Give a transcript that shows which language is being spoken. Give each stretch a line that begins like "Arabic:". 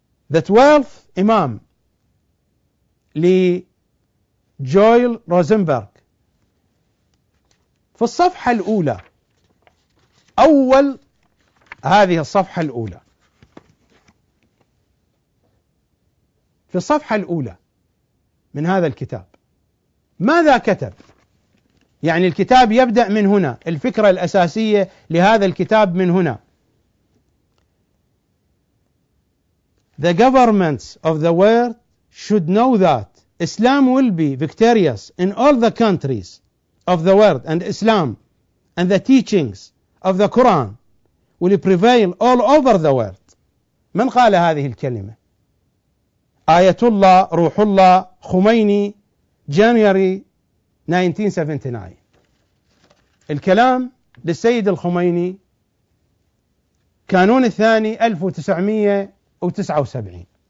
Arabic: The 12th Imam لجويل روزنبرغ. في الصفحة الأولى، أول هذه الصفحة الأولى، في الصفحة الأولى من هذا الكتاب ماذا كتب؟ يعني الكتاب يبدأ من هنا، الفكرة الأساسية لهذا الكتاب من هنا.
English: The governments of the world should know that Islam will be victorious in all the countries of the world, and Islam and the teachings of the Quran will prevail all over the world.
Arabic: من قال هذه الكلمة؟ آية الله روح الله خميني، January 1979. الكلام للسيد الخميني، كانون الثاني 1979.